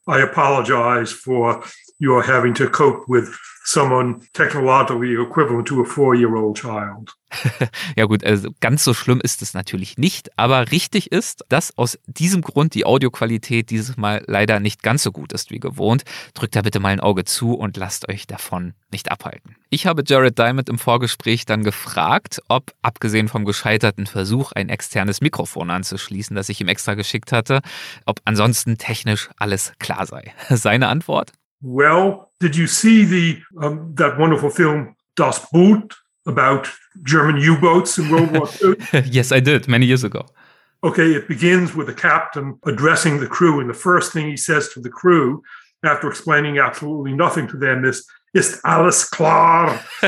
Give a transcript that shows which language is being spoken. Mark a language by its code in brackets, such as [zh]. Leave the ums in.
[en] I apologize for your having to cope with someone technologically equivalent to a four-year-old child. [de] ja gut, also ganz so schlimm ist es natürlich nicht, aber richtig ist, dass aus diesem Grund die Audioqualität dieses Mal leider nicht ganz so gut ist wie gewohnt. Drückt da bitte mal ein Auge zu und lasst euch davon nicht abhalten. Ich habe Jared Diamond im Vorgespräch dann gefragt, ob abgesehen vom gescheiterten Versuch, ein externes Mikrofon anzuschließen, das ich ihm extra geschickt hatte, ob ansonsten technisch alles klar sei. Seine Antwort? [en] Well, Did you see the um, that wonderful film Das Boot about German U-boats in World War II? yes, I did many years ago. Okay, it begins with the captain addressing the crew, and the first thing he says to the crew, after explaining absolutely nothing to them, is [de] "Ist alles klar?"